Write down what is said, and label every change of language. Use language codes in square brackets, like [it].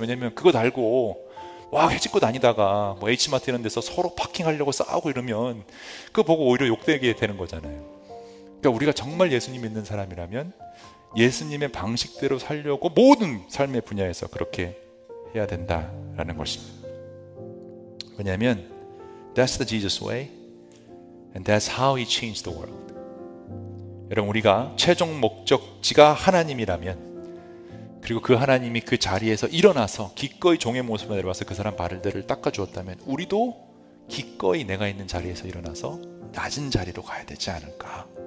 [ko] 왜냐면 그거 달고 와 해치고 다니다가 뭐 H마트 이런 데서 서로 파킹하려고 싸우고 이러면 그거 보고 오히려 욕되게 되는 거잖아요. 그러니까 우리가 정말 예수님 믿는 사람이라면 예수님의 방식대로 살려고 모든 삶의 분야에서 그렇게 해야 된다라는 것입니다. 왜냐하면 [en] That's the Jesus way and that's how he changed the world. [ko] 여러분 우리가 최종 목적지가 하나님이라면 그리고 그 하나님이 그 자리에서 일어나서 기꺼이 종의 모습을 내려와서 그 사람 발들을 닦아주었다면 우리도 기꺼이 내가 있는 자리에서 일어나서 낮은 자리로 가야 되지 않을까.